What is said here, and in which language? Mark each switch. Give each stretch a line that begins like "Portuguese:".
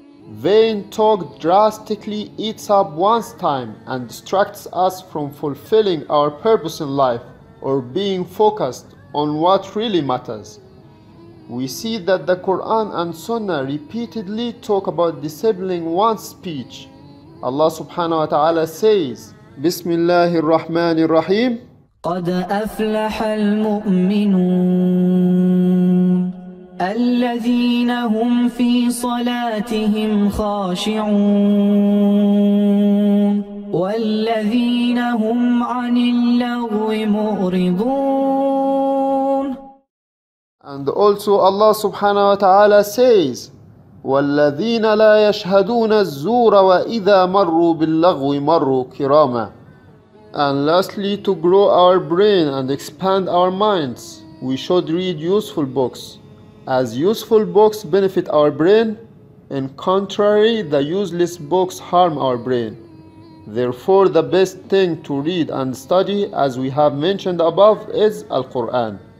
English: Vain talk drastically eats up one's time and distracts us from fulfilling our purpose in life or being focused on what really matters. We see that the Quran and Sunnah repeatedly talk about disabling one's speech. Allah subhanahu wa ta'ala says, Bismillahir Rahmanir Rahim.
Arabic: قَدْ أَفْلَحَ الْمُؤْمِنُونَ الذين هم في صلاتهم خاشعون والذين هم عن اللغو معرضون.
English: And also Allah subhanahu wa ta'ala says, والذين لا يشهدون الزور وإذا مروا باللغو مروا كراما. And lastly, to grow our brain and expand our minds, we should read useful books. As useful books benefit our brain, in contrary, the useless books harm our brain. Therefore, the best thing to read and study, as we have mentioned above, is Al-Quran.